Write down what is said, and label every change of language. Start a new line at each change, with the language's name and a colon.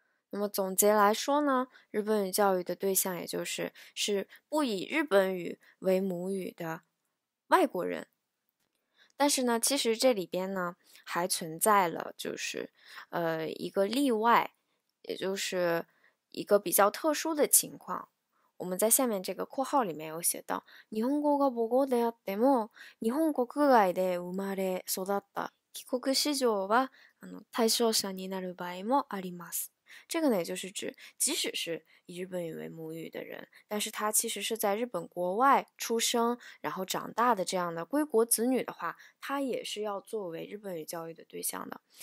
Chinese: 那么总结来说呢，日本语教育的对象也就是不以日本语为母语的外国人。但是呢，其实这里边呢还存在了，就是一个例外，也就是一个比较特殊的情况。我们在下面这个括号里面有写到，
Japanese: 日本語が母語であっても、日本国外で生まれ育った帰国子女は対象者になる場合もあります。
Chinese: 这个呢，就是指即使是以日本语为母语的人，但是他其实是在日本国外出生，然后长大的这样的归国子女的话，他也是要作为日本语教育的对象的。